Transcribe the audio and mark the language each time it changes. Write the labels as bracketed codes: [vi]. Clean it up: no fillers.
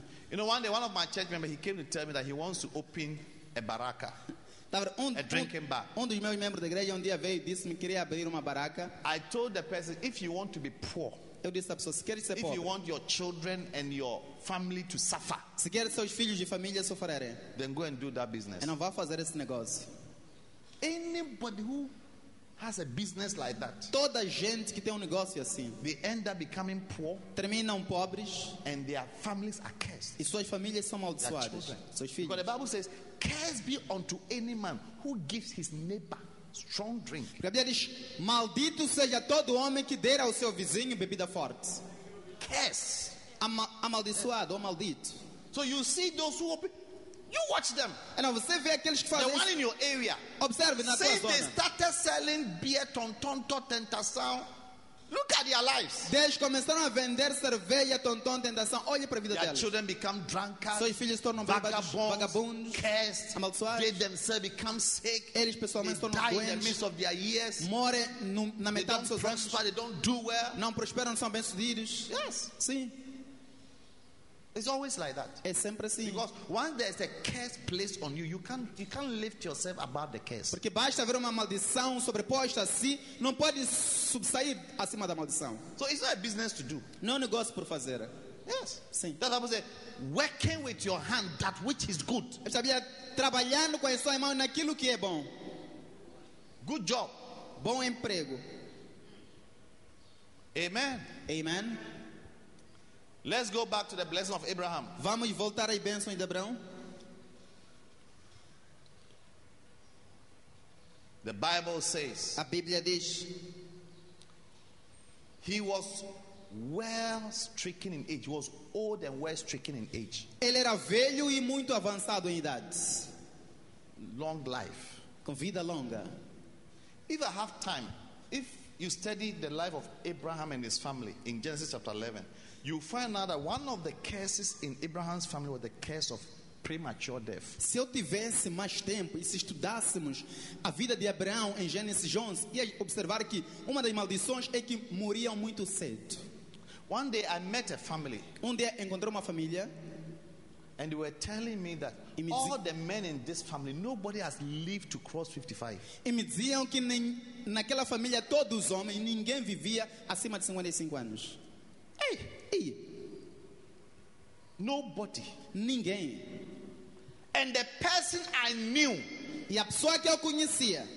[en] You know, one day one of my church members, he came to tell me that he wants to open a baraka. A drinking bar. [pt] Um dos meus membros da igreja um dia veio e disse-me que queria abrir uma baraca. [en] I told the person, if you want to be poor, [pt] eu disse à pessoa, se queres ser [en] if [pt] pobre, [en] you want your children and your family to suffer, [pt] se queres seus filhos e família sofrerem, [en] then go and do that business. [pt] E não vá fazer esse negócio. [en] Anybody who has a business like that, [pt] toda gente que tem negócio assim, [en] they end up becoming poor, [pt] terminam pobres, [en] and their families are cursed. [pt] E suas famílias são amaldiçoadas. Seus filhos. [en] Because the Bible says, cursed be unto any man who gives his neighbor strong drink. [pt] A Bíblia diz, maldito seja todo homem que der ao seu vizinho bebida forte. [en] Cursed. [pt] Amaldiçoado ou maldito. [en] So you see those who open. You watch them. [pt] And você vê aqueles que fazem. [en] The one in your area. [pt] Observe na [en] say [pt] tua zona. [en] They started selling beer, tonton, tentação. Look at their lives. [pt] Eles começaram a vender cerveja, tonton, tentação. Olhe para a vida [en] their [pt] deles. [en] Their children become drunkards. [pt] Seus filhos tornam vagabundos. [en] Cursed. [pt] Amaldiçoados. [en] They themselves become sick. [pt] Eles pessoalmente tornam doentes. [en] They die in the midst of their years. [pt] Morrem na metade dos seus anos. [en] They don't prosper. They don't do well. [pt] Não prosperam, são bem sucedidos. [en] Yes. [pt] Sim. [en] It's always like that. [pt] É sempre assim. [en] Because once there's a curse placed on you, you can't lift yourself above the curse. [pt] Porque basta haver uma maldição sobreposta a si, não pode subsair acima da maldição. [en] So it's not a business to do. [pt] Não é negócio por fazer. [en] Yes. Sim. That's what I say. Working with your hand that which is good. [pt] Eu sabia trabalhando com a sua mão naquilo que é bom. [en] Good job. [pt] Bom emprego. [en] Amen. [pt] Amen. [en] Let's go back to the blessing of Abraham. [pt] Vamos voltar à bênção de Abraão. [en] The Bible says. [pt] A Bíblia diz. [en] He was well stricken in age. He was old and well stricken in age. [pt] Ele era velho e muito avançado em idade. [en] Long life. [pt] Com vida longa. [en] If I have time, if you study the life of Abraham and his family in Genesis chapter 11. You find out that one of the curses in Abraham's family was the curse of premature death. [pt] Se eu tivesse mais tempo e se estudássemos a vida de Abraão em Gênesis 11, ia observar que uma das maldições é que morriam muito cedo. [en] One day I met a family. [pt] Um dia encontrei uma família. [en] And they were telling me that all the men in this family, nobody has lived to cross 55. [pt] E me diziam que naquela família todos os homens, ninguém vivia acima de 55 anos. [en] Hey. Nobody. [pt] Ninguém. [en] And the person I knew, [pt] e a pessoa que eu conhecia,